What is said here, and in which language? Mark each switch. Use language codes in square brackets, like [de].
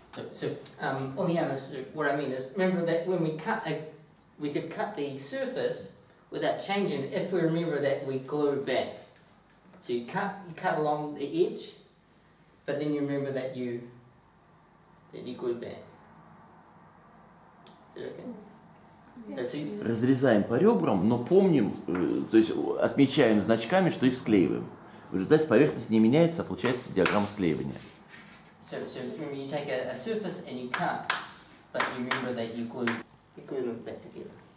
[en] So on the other side, what I mean is, remember that when we cut, we could cut the surface without changing if we remember that we glue back. So you cut along the edge, but then you remember that you glue back. Is that okay? Yes. [ru] Разрезаем по ребрам, но помним, то есть отмечаем значками, что их склеиваем. В результате поверхность не меняется, а получается диаграмма склеивания. [en] So remember you take a surface and you cut, but you remember that you glue them back together.